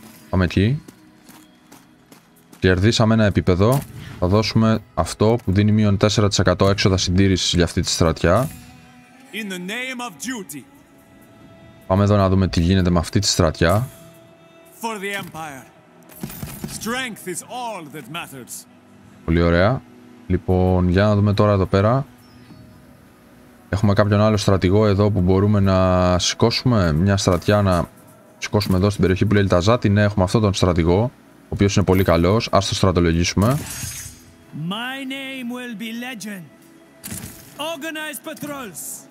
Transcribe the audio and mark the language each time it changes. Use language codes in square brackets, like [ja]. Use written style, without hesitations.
[el] Πάμε εκεί. Κερδίσαμε ένα επίπεδο. Θα δώσουμε αυτό που δίνει μείον 4% έξοδα συντήρησης για αυτή τη στρατιά. [en] In the name of duty. [el] Πάμε εδώ να δούμε τι γίνεται με αυτή τη στρατιά. [en] For the Empire. Strength is all that matters. [el] Πολύ ωραία. Λοιπόν, για να δούμε τώρα εδώ πέρα. Έχουμε κάποιον άλλο στρατηγό εδώ που μπορούμε να σηκώσουμε μια στρατιά, να σηκώσουμε εδώ στην περιοχή που λέει Λιταζάτη. Ναι, έχουμε αυτόν τον στρατηγό, ο οποίος είναι πολύ καλός. Ας το στρατολογήσουμε. [en] My name will be legend. Organized patrols.